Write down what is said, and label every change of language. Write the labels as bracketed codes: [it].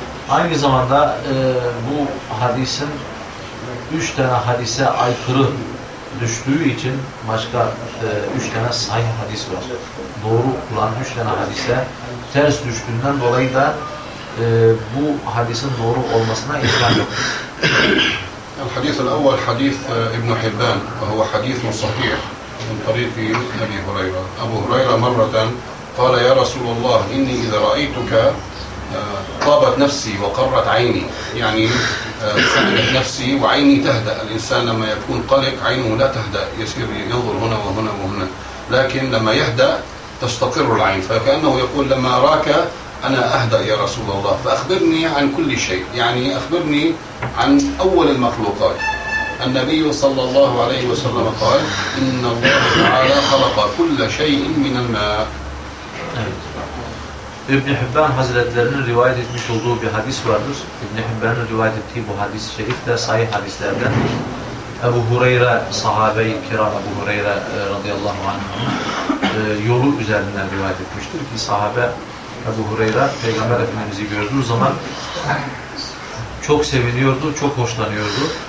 [tr] Aynı zamanda bu hadisin üç tane hadise aykırı düştüğü için başka üç tane sahih hadis var. Doğru olan üç tane hadise ters düştüğünden dolayı da bu hadisin doğru olmasına imkan yok. [ar] الحديث الأول حديث ابن حبان وهو حديث صحيح من طريق أبي هريرة. أبو هريرة مرة قال يا رسول الله إني إذا رأيتك طابت نفسي وقرت عيني، يعني سألت نفسي وعيني تهدأ. الإنسان لما يكون قلق عينه لا تهدأ، يصير ينظر هنا وهنا وهنا، لكن لما يهدأ تستقر العين. فكأنه يقول لما أراك أنا أهدأ يا رسول الله، فأخبرني عن كل شيء، يعني أخبرني عن أول المخلوقات. النبي صلى الله عليه وسلم قال إن الله تعالى خلق كل شيء من الماء. [tr] İbn Hibban Hazretlerinin rivayet etmiş olduğu bir hadis vardır. İbn Hibban'ın rivayet ettiği bu hadis şerif de sahih hadislerden. Ebu Hureyre sahabe-i kiram, Ebu Hureyre radıyallahu anh yolu üzerinden rivayet etmiştir ki sahabe Ebu Hureyre Peygamber Efendimiz'i gördüğü zaman çok seviniyordu, çok hoşlanıyordu.